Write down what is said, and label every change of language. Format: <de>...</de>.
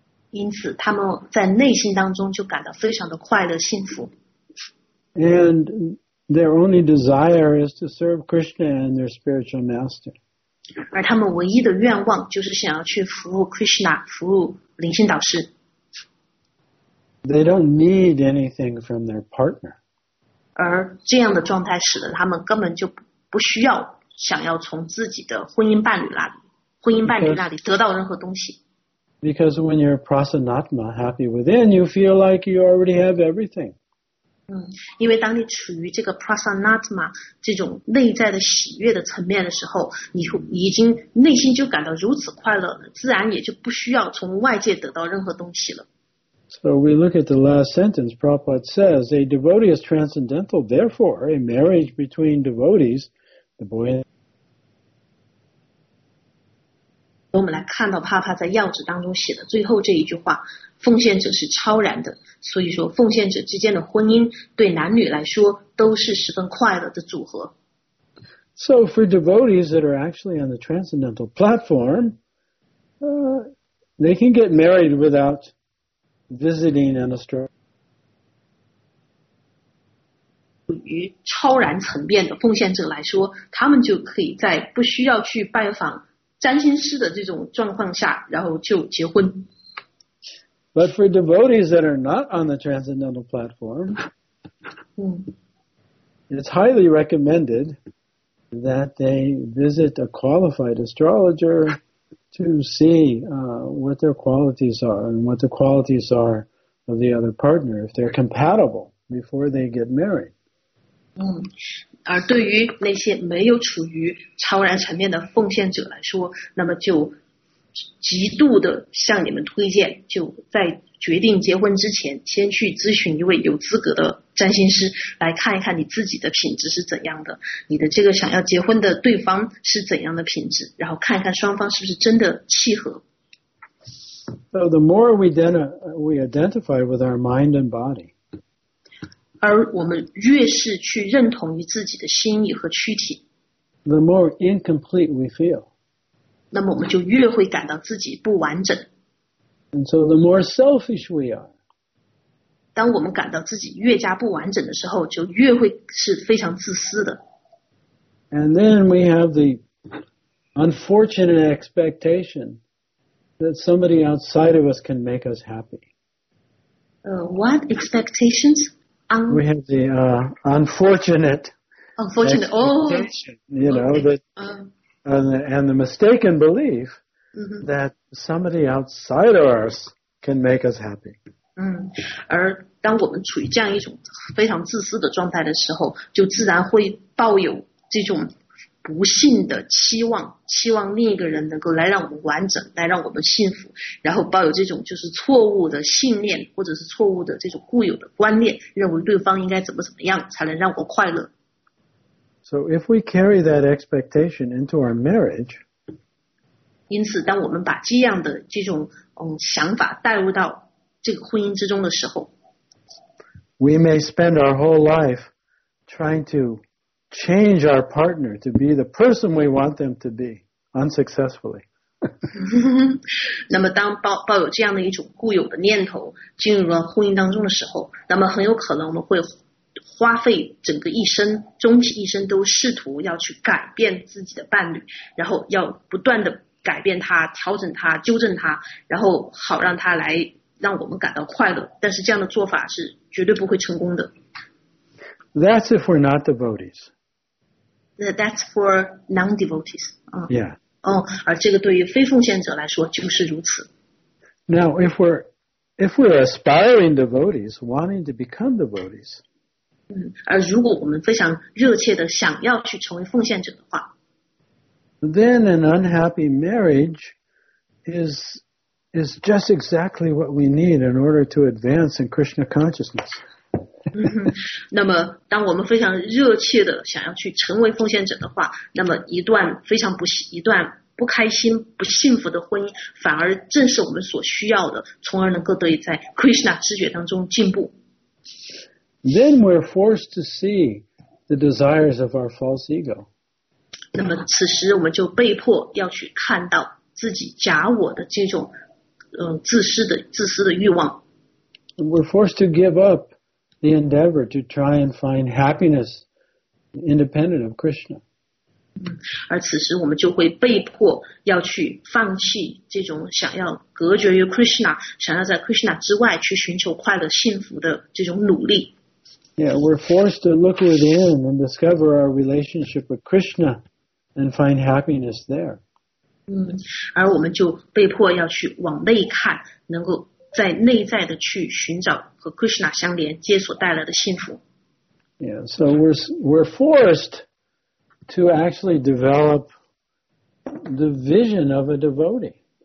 <zh>因此他们在内心当中就感到非常的快乐幸福。</zh> <en>And their only desire is to serve Krishna and their spiritual master.</en> <zh>而他们唯一的愿望就是想要去服务 Krishna, 服务灵性导师。</zh> <en>They don't need anything from their partner.</en> <zh>而这样的状态使得他们根本就不需要想要从自己的婚姻伴侣那里得到任何东西。</zh> <en>Because when you're prasanatma, happy within, you feel like you already have everything.</en> <zh>因为当你处于这个 prasanatma 这种内在的喜悦的层面的时候，你已经内心就感到如此快乐了，自然也就不需要从外界得到任何东西了。</zh> <en>So we look at the last sentence. Prabhupada says, "A devotee is transcendental. Therefore, a marriage between devotees, the boy."</en> <zh>我们来看到帕帕在要旨当中写的最后这一句话。奉献者是超然的，所以说奉献者之间的婚姻对男女来说都是十分快乐的组合。</zh> <en>So for devotees that are actually on the transcendental platform, they can get married without visiting an astrologer.</en> <zh>与超然层面的奉献者来说，他们就可以在不需要去拜访占星师的这种状况下，然后就结婚。</zh> <en>But for devotees that are not on the transcendental platform, it's highly recommended that they visit a qualified astrologer to see what their qualities are and what the qualities are of the other partner, if they're compatible before they get married.</en> <zh>而对于那些没有处于超然层面的奉献者来说，那么就极度的向你们推荐，就在决定结婚之前，先去咨询一位有资格的占星师，来看一看你自己的品质是怎样的，你的这个想要结婚的对方是怎样的品质，然后看一看双方是不是真的契合。</zh> <en>So the more we identify with our mind and body,</en> <zh>而我们越是去认同于自己的心意和躯体</zh> <en>，the more incomplete we feel.</en> <zh>那么我们就越会感到自己不完整。</zh> <en>And so the more selfish we are,</en> <zh>当我们感到自己越加不完整的时候，就越会是非常自私的。</zh> <en>And then we have the unfortunate expectation that somebody outside of us can make us happy. What expectations? We have the unfortunate expectation, oh, you know, okay. That, and the mistaken belief that somebody outside of us can make us happy.</en> <zh>而当我们处于这样一种非常自私的状态的时候，就自然会抱有这种不幸的期望，期望另一个人能够来让我们完整，来让我们幸福，然后抱有这种就是错误的信念，或者是错误的这种固有的观念，认为对方应该怎么怎么样才能让我快乐。</zh> <en>So if we carry that expectation into our marriage,</en> <zh>因此当我们把这样的这种想法带入到这个婚姻之中的时候，</zh> <en>We may spend our whole life trying to change our partner to be the person we want them to be unsuccessfully.</en> <zh>那么当抱有这样的一种固有的念头进入了婚姻当中的时候，那么很有可能我们会花费整个一生，终其一生都试图要去改变自己的伴侣，然后要不断的改变他，调整他，纠正他，然后好让他来让我们感到快乐，但是这样的做法是绝对不会成功的。</zh> <en>That's if we're not devotees. That's for non-devotees. Yeah.</en> <zh>而这个对于非奉献者来说就是如此。</zh> <en>Now, if we're aspiring devotees, wanting to become devotees,</en> <zh>而如果我们非常热切的想要去成为奉献者的话，</zh> <en>then an unhappy marriage is just exactly what we need in order to advance in Krishna consciousness.</en> <zh>那么当我们非常热切的想要去成为奉献者的话，那么一段不开心不幸福的婚姻反而正是我们所需要的，从而能够得以在 Krishna 知觉当中进步。</zh> <en>Then we're forced to see the desires of our false ego.</en> <zh>那么此时我们就被迫要去看到自己假我的这种自私的欲望。</zh> <en>We're forced to give up the endeavor to try and find happiness independent of Krishna.</en> <zh>而此时我们就会被迫要去放弃这种想要隔绝于 Krishna, 想要在 Krishna 之外去寻求快乐幸福的这种努力。</zh> <en>Yeah, we're forced to look within and discover our relationship with Krishna and find happiness there.</en> <zh>而我们就被迫要去往内看，能够在内在的去寻找和 Krishna 相连接所带来的幸福。</zh> <en>Yeah, so we're forced to actually develop the vision of a devotee.</en>